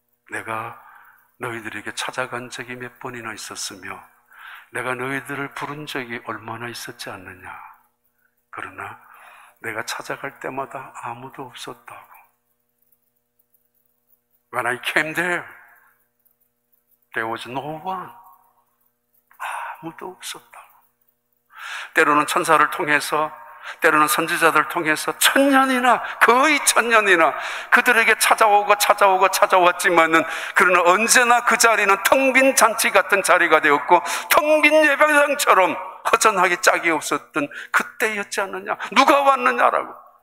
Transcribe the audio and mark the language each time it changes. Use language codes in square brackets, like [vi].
[ko] 내가 너희들에게 찾아간 적이 몇 번이나 있었으며 내가 너희들을 부른 적이 얼마나 있었지 않느냐. 그러나 내가 찾아갈 때마다 아무도 없었다고. [en] When I came there, there was no one. [ko] 아무도 없었다고. 때로는 천사를 통해서, 때로는 선지자들 통해서 천년이나, 거의 천년이나 그들에게 찾아오고 찾아오고 찾아왔지만은 그러나 언제나 그 자리는 텅 빈 잔치 같은 자리가 되었고 텅 빈 예배당처럼 허전하기 짝이 없었던 그때였지 않느냐. 누가 왔느냐라고.